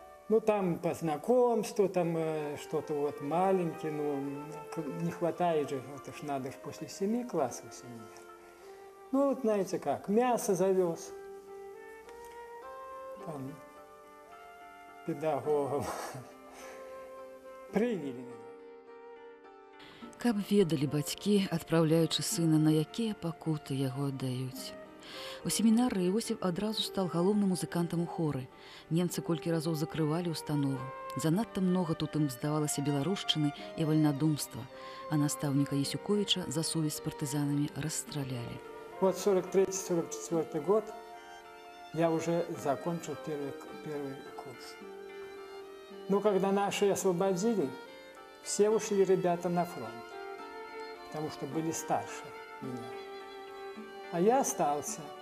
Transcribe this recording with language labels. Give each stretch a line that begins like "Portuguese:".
Russian: Ну, там по знакомству, там что-то вот маленькое, ну, не хватает же, это ж надо же после 7 классов семинар. Ну, вот знаете как, мясо завез. Там педагогам приняли меня.
Belarusian: Каб ведали батьки, отправляючи сына, на якія пакуты яго аддаюць. У семінары Іосіф адразу стал галоўным музыкантам у хоры. Немцы колькі разоў закрывалі ўстанову. Занадта многа тут ім здавалася беларушчыны і вальнадумства. А настаўніка Ясюковіча за сувязь з партызанамі расстралялі.
Russian: Вот 43-44 год я уже закончил первый курс. Ну, когда наши освободили, все ушли ребята на фронт, потому что были старше меня. А я остался.